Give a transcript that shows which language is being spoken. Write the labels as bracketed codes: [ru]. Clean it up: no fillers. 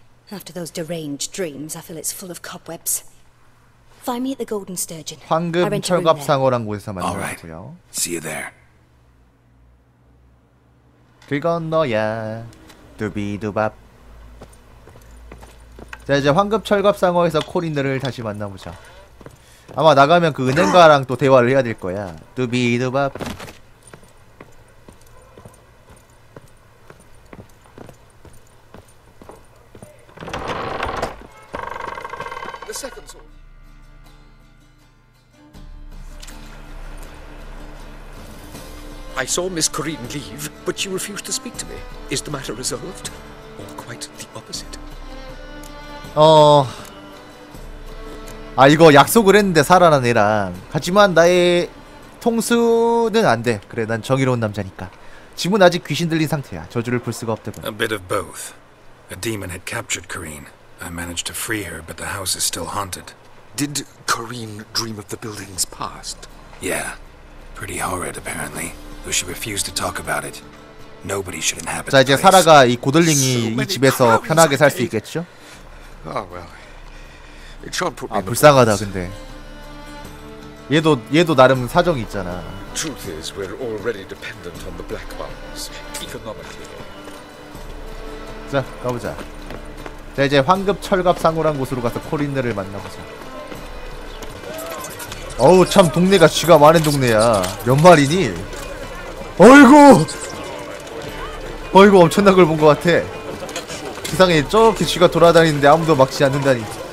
[en] After those deranged dreams, I feel it's full of cobwebs. Find me at the Golden Sturgeon. [ko] 황금 철갑상어란 곳에서 만나고요. [en] See you there. [ko] 그건 너야. 두비두밥. 자 이제 황금 철갑상어에서 코린들을 다시 만나보자. 아마 나가면 그 은행가랑 또 대화를 해야 될 거야. 두비두밥. [en] I saw Miss Corrine leave, but she refused to speak to me. Is the matter resolved, or quite the opposite? [ko] 아 이거 약속을 했는데 살아난 애랑. 하지만 나의 통수는 안 돼. 그래 난 정의로운 남자니까. 집은 아직 귀신 들린 상태야. 저주를 풀 수가 없더군. [en] A bit of both. A demon had captured Corrine. I managed to free her, but the house is still haunted. Did Corrine dream of the buildings past? Yeah, pretty horrid apparently. She refused to talk about it. Nobody should inhabit. [ko] 자 이제 사라가 이 고들링이 이 집에서 편하게 살 수 있겠죠? [en] Oh well, it shan't put me. [ko] 아 불쌍하다 근데. 얘도 나름 사정이 있잖아. [en] Truth is, we're already dependent on the black ones economically. [ko] 자 가보자. 자 이제 황급 철갑상우란 곳으로 가서 코린들을 만나보자. 어우 참 동네가 쥐가 많은 동네야. 몇 마리니? 어이구! 어이구 엄청난 걸 본 것 같아. 세상에 저렇게 쥐가 돌아다니는데 아무도 막지 않는다니.